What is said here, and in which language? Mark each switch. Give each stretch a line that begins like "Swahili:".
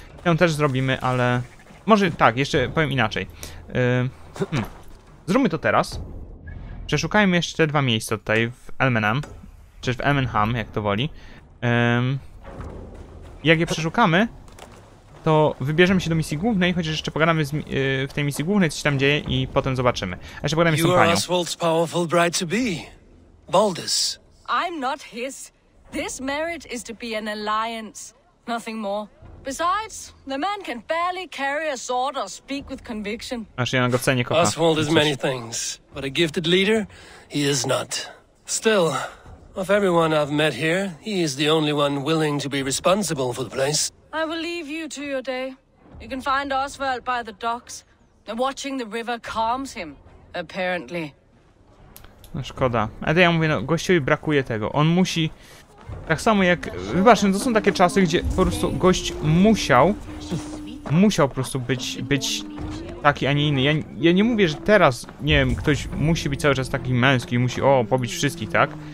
Polish: Ją też zrobimy, ale może tak, jeszcze powiem inaczej. Zróbmy to teraz. Przeszukajmy jeszcze te dwa miejsca tutaj w Elmenham. Czy w Emenham, jak to woli. Jak je przeszukamy, to wybierzemy się do misji głównej, chociaż jeszcze pogadamy w tej misji głównej, co się tam dzieje i potem zobaczymy. A jeszcze pogadamy z tą panią.
English: Oswald's powerful bride to be. Baldus. I'm not his. This marriage is to be an alliance. Nothing more. Besides, the man can barely carry a sword or speak with conviction.
Polish: Aż ja go cenię, kocha.
English: Oswald is many things, but a gifted leader, he is not. Still, of everyone I've met here, he is the only one willing to be responsible for the place. I will leave you to your day. You can find Oswald by the docks. Watching the river calms him, apparently.
Polish: No szkoda. Ale ja mówię, no gościowi brakuje tego. On musi... Tak samo jak... Wybacz, no to są takie czasy, gdzie po prostu gość musiał po prostu być taki, a nie inny. Ja nie mówię, że teraz, nie wiem, ktoś musi być cały czas taki męski, musi pobić wszystkich, tak?